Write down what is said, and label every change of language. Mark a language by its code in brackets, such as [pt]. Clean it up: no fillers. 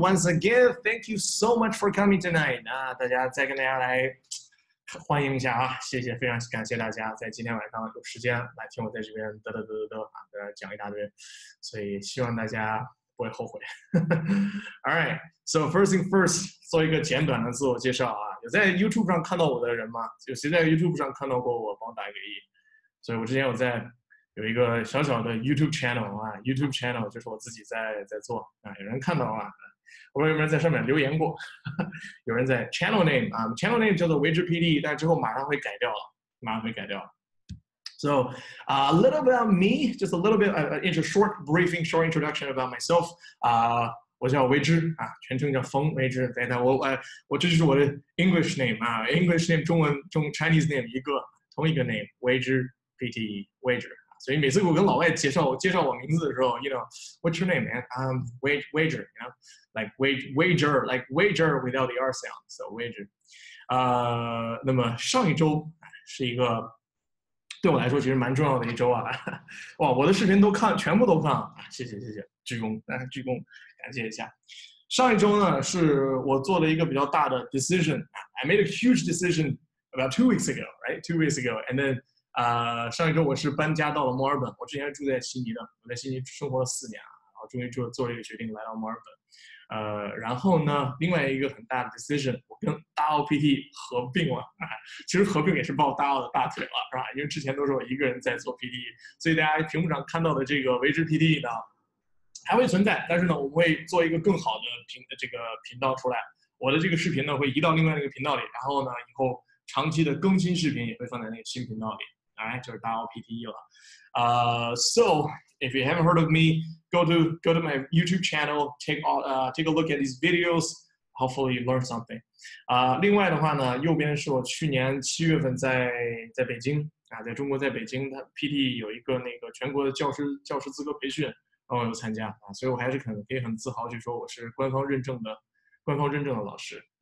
[en] Once again, thank you so much for coming tonight. [zh] 那大家再跟大家来欢迎一下啊，谢谢，非常感谢大家在今天晚上有时间来听我在这边嘚嘚嘚嘚嘚讲一大堆，所以希望大家不会后悔。 [en] All right, so first thing first, [zh] 做一个简短的自我介绍啊。有在 YouTube 上看到我的人吗？有谁在 YouTube 上看到过我？帮我打一个一。所以我之前有在。有一个小小的 YouTube channel 啊 ，YouTube channel 就是我自己在做啊，有人看到啊，我有没有在上面留言过？有人在 channel name 啊 ，channel name 叫做维知 PD， 但之后马上会改掉了，马上会改掉了。 [en] So a little bit about me, just a little bit into short briefing, short introduction about myself. [zh] 啊、我叫维知啊，全称叫冯维知。对的，我这就是我的 English name 啊 ，English name 中文 Chinese name 一个同一个 name 维知 PD 维知。所以每次我跟老外介绍我名字的时候 ， [en] you know, what's your name, man? I'm Wager, you know, like wager without the R sound, so Wager. [zh] 那么上一周是一个对我来说其实蛮重要的一周啊。哇，我的视频都看，全部都看了，谢谢，鞠躬，鞠躬，感谢一下。上一周呢，是我做了一个比较大的 decision. [en] I made a huge decision about 2 weeks ago, right? 2 weeks ago, and then. [zh] 上一周我是搬家到了墨尔本，我之前住在悉尼的，我在悉尼生活了4年啊，然后终于做了一个决定来到墨尔本。然后呢，另外一个很大的 decision， 我跟大奥 PT 合并了，其实合并也是抱大奥的大腿了，是吧？因为之前都是我一个人在做 PT， 所以大家屏幕上看到的这个维知 PT 呢，还会存在，但是呢，我们会做一个更好的频道出来，我的这个视频呢会移到另外一个频道里，然后呢，以后长期的更新视频也会放在那个新频道里。 [en] All right, [zh] 就是大奥 PTE 了。 [en] So if you haven't heard of me, go to my YouTube channel, take a look at these videos. Hopefully, you learn something. [zh] 另外的话呢，右边是我去年7月份在北京啊，在中国，在北京，他 PTE 有一个那个全国的教师资格培训，然后有参加啊，所以我还是可以很自豪，就说我是官方认证的老师。